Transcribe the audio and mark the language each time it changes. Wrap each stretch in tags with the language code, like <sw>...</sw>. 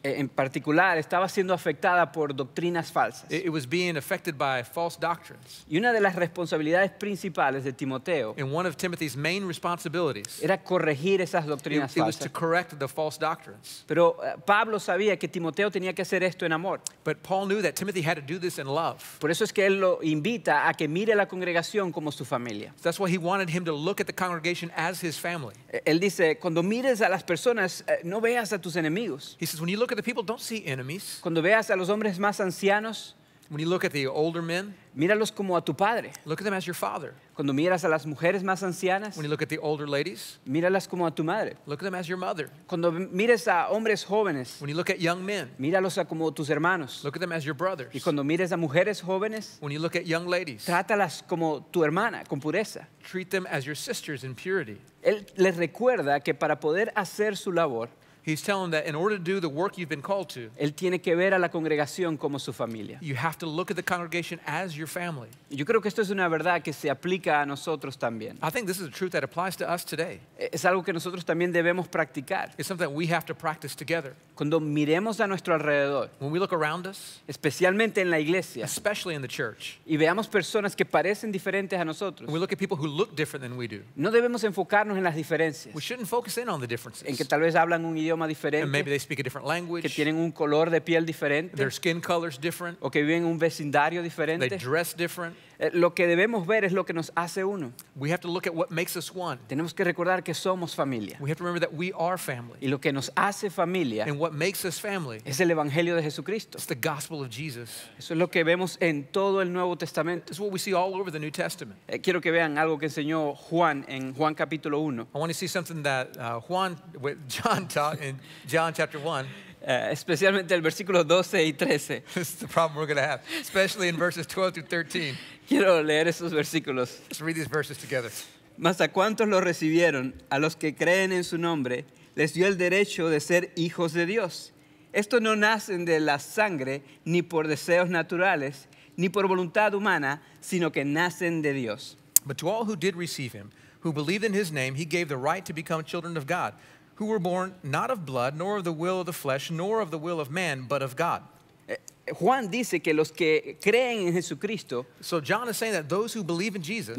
<es>En particular, estaba siendo afectada por doctrinas falsas.</es> <en>It was being affected by false doctrines.</en> <es>Y una de las responsabilidades principales de Timoteo,</es> <en>and one of Timothy's main responsibilities,</en> <es>era corregir esas doctrinas falsas.</es> <en>It was to correct the false doctrines.</en> <es>Pero Pablo sabía que Timoteo tenía que hacer esto en amor.</es> <en>But Paul knew that Timothy had to do this in love.</en> <es>Por eso es que él lo invita a que mire a la congregación como su familia.</es> <en>So that's why he wanted him to look at the congregation as his family.</en> <es>Él dice, cuando mires a las personas, no veas a tus enemigos.</es> <en>He says, when you look at the people, don't see enemies.</en> <es>Cuando veas a los hombres más ancianos,</es> <en>when you look at the older men,</en> <es>míralos como a tu padre.</es> <en>Look at them as your father.</en> <es>Cuando miras a las mujeres más ancianas,</es> <en>when you look at the older ladies,</en> <es>míralas como a tu madre.</es> <en>Look at them as your mother.</en> <es>Cuando mires a hombres jóvenes,</es> <en>when you look at young men,</en> <es>míralos como tus hermanos.</es> <en>Look at them as your brothers.</en> <es>Y cuando mires a mujeres jóvenes,</es> <en>when you look at young ladies,</en> <es>trátalas como tu hermana, con pureza.</es> <en>Treat them as your sisters in purity.</en> <es>Él les recuerda que para poder hacer su labor,</es> <en>he's telling them that in order to do the work you've been called to,</en> <es>él tiene que ver a la congregación como su familia.</es> <en>You have to look at the congregation as your family.</en> <es>Yo creo que esto es una verdad que se aplica a nosotros también.</es> <en>I think this is a truth that applies to us today.</en> <es>Es algo que nosotros también debemos practicar.</es> <en>It's something we have to practice together.</en> <es>Cuando miremos a nuestro alrededor,</es> <en>when we look around us,</en> <es>especialmente en la iglesia,</es> <en>especially in the church,</en> <es>y veamos personas que parecen diferentes a nosotros,</es> <en>we look at people who look different than we do,</en> <es>no debemos enfocarnos en las diferencias.</es> <en>We shouldn't focus in on the differences.</en> <es>En que tal vez hablan un idioma,</es> <en>and maybe they speak a different language,</en> <es>que tienen un color de piel diferente,</es> <en>their skin color is different,</en> <es>o que viven un vecindario diferente,</es> <en>they dress different.</en> <es>Lo que debemos ver es lo que nos hace uno.</es> <en>We have to look at what makes us one.</en> <es>Tenemos que recordar que somos familia.</es> <en>We have to remember that we are family.</en> <es>Y lo que nos hace familia,</es> <en>and what makes us family,</en> <es>es el evangelio de Jesucristo.</es> <en>It's the gospel of Jesus.</en> <es>Eso es lo que vemos en todo el Nuevo Testamento.</es> <en>It's what we see all over the New Testament.</en> <es>Quiero que vean algo que enseñó Juan en Juan capítulo 1.</es> <en>I want to see something that John taught in John chapter 1.</en> <es>Especialmente el versículo 12 y 13.</es> <en>This is the problem we're going to have, especially in verses 12 through 13.</en> <es>Quiero leer esos versículos.</es> <en>Let's read these verses together.</en> <es>Mas a cuantos lo recibieron, a los que creen en su nombre, les dio el derecho de ser hijos de Dios. Estos no nacen de la sangre, ni por deseos naturales, ni por voluntad humana, sino que nacen de Dios.</es> <en>But to all who did receive him, who believed in his name, he gave the right to become children of God, who were born not of blood, nor of the will of the flesh, nor of the will of man, but of God.</en> <es>Juan dice que los que creen en Jesucristo,</es> <en>so John is saying that those who believe in Jesus,</en>